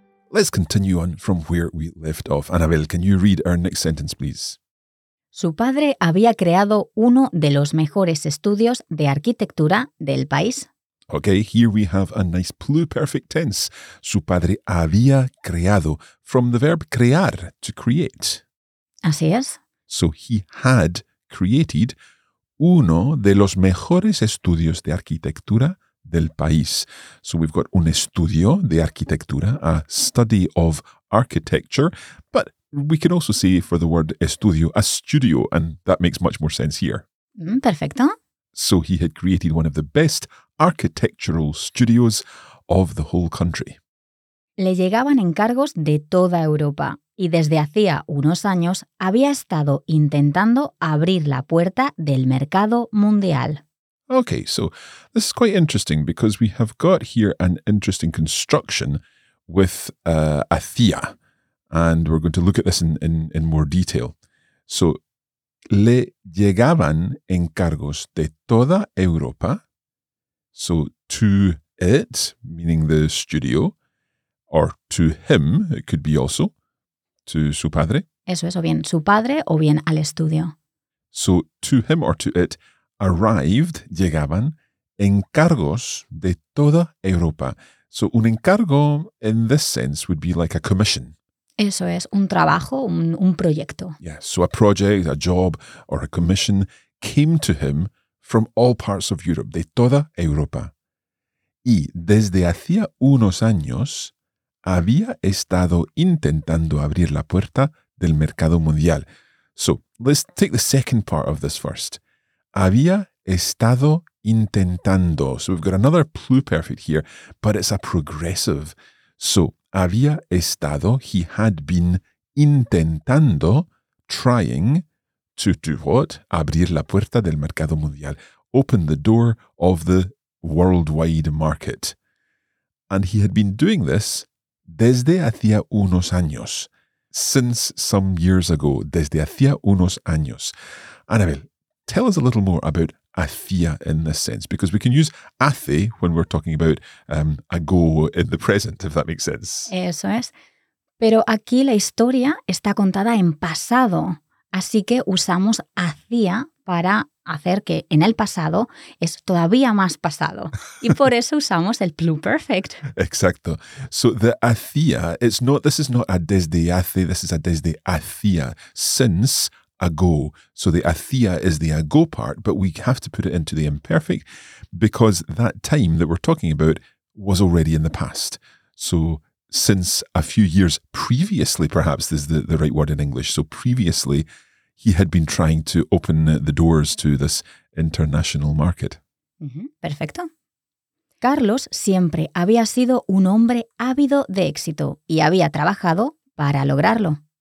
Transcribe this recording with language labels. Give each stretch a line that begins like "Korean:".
English: Let's continue on from where we left off. Annabelle, can you read our next sentence, please?
Spanish: Su padre había creado uno de los mejores estudios de arquitectura del país.
English: Okay, here we have a nice pluperfect tense.
Spanish: Su padre había creado,
English: from the verb crear, to create.
Spanish: Así es.
English: So he had created
Spanish: uno de los mejores estudios de arquitectura del país.
English: So we've got
Spanish: un estudio de arquitectura,
English: a study of architecture, but we can also say for the word estudio, a studio, and that makes much more sense here.
Spanish: Perfecto.
English: So he had created one of the best architectural studios of the whole country.
Spanish: Le llegaban encargos de toda Europa. Y desde hacía unos años había estado intentando abrir la puerta del mercado mundial.
English: Okay, so this is quite interesting because we have got here an interesting construction with hacía. And we're going to look at this in more detail. So,
Spanish: le llegaban encargos de toda Europa.
English: So, to it, meaning the studio, or to him, it could be also. To su padre.
Spanish: Eso es, o bien su padre o bien al estudio.
English: So to him or to it arrived, llegaban,
Spanish: encargos de toda Europa.
English: So un encargo in this sense would be like a commission.
Spanish: Eso es, un trabajo, un proyecto.
English: Yeah, so a project, a job or a commission came to him from all parts of Europe,
Spanish: de toda Europa. Y desde hacía unos años había estado intentando abrir la puerta del mercado mundial.
English: So, let's take the second part of this first. Había estado intentando. So, we've got another pluperfect here, but it's a progressive. So,
Spanish: había estado,
English: he had been intentando, trying to do what?
Spanish: Abrir la puerta del mercado mundial.
English: Open the door of the worldwide market. And he had been doing this
Spanish: desde hacía unos años,
English: since some years ago, desde hacía unos años. Annabelle, tell us a little more about hacía in this sense, because we can use hace when we're talking about ago in the present, if that makes sense.
Spanish: Eso es. Pero aquí la historia está contada en pasado, así que usamos hacía para hacer que en el pasado es todavía más pasado. Y por eso usamos el pluperfect. Exacto.
English: So the hacía, it's not, this is not a desde hace, this is a desde hacía, since ago. So the hacía is the ago part, but we have to put it into the imperfect because that time that we're talking about was already in the past. So since a few years previously, perhaps is the right word in English. So previously, he had been trying to open the doors to this international market.
Spanish: Perfecto. Carlos siempre había sido un hombre ávido de éxito y había trabajado para lograrlo.